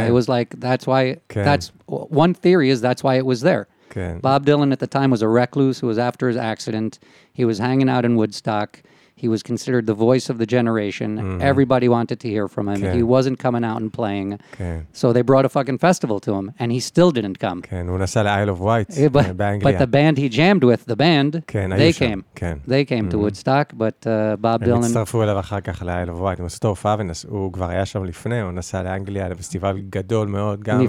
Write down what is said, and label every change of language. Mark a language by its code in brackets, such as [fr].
[en] It was like, that's why, that's, one theory is that's why it was there. Bob Dylan at the time was a recluse who was after his accident. He was hanging out in Woodstock. He was considered the voice of the generation. Everybody wanted to hear from him. He wasn't coming out and playing. So they brought a fucking festival to him and he still didn't come. [he] כן, הוא נסע ל-Isle of Wight באנגליה. [en] But the band he jammed with, the band, they came. They came to Woodstock, but Bob Dylan... [he] הם הצטרפו אליו אחר כך ל-Isle of Wight. הם עשו תופעה ונסעו, הוא כבר היה שם לפני, הוא נסע לאנגליה לפסטיבל גדול מאוד גם.